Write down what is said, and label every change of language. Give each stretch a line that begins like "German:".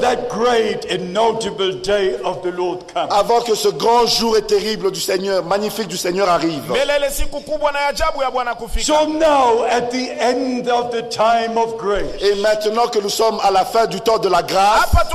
English: Great and notable day of the Lord comes.
French: Avant que ce grand jour et terrible du Seigneur, magnifique du Seigneur arrive.
English: So now at the end of the time of grace.
French: Et maintenant que nous sommes à la fin du temps de la grâce.